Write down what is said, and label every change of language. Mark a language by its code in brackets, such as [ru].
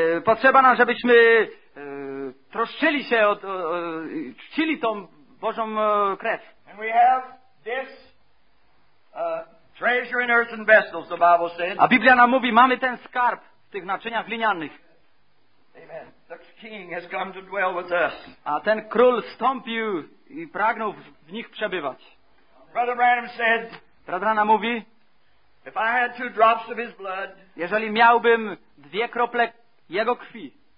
[pl] Potrzeba nam, żebyśmy troszczyli się czcili tą Bożą krew. [en] And we have this treasure in earthen vessels, the Bible said. [pl] A Biblia nam mówi, mamy ten skarb w tych naczyniach glinianych. [en] Amen. The king has come to dwell with us. [pl] A ten król stąpił i pragnął w nich przebywać. [en] Brother Branham said, [pl] brat Branham mówi, [en] if I had two drops of his blood, [pl] jeżeli miałbym dwie krople jego krwi,